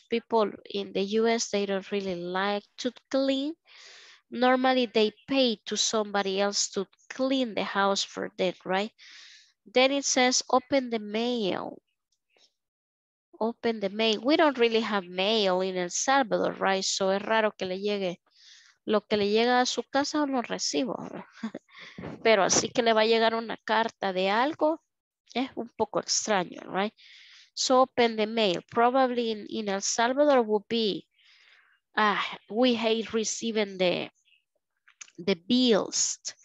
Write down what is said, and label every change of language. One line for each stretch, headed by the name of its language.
English: People in the US, they don't really like to clean. Normally they pay to somebody else to clean the house for them, right? Then it says open the mail. Open the mail. We don't really have mail in El Salvador, right?
Spanish: So es raro que le llegue. Lo que le llega a su casa no recibo. Pero así que le va a llegar una carta de algo, es un poco extraño, right?
English: So open the mail. Probably in El Salvador would be, we hate receiving the bills.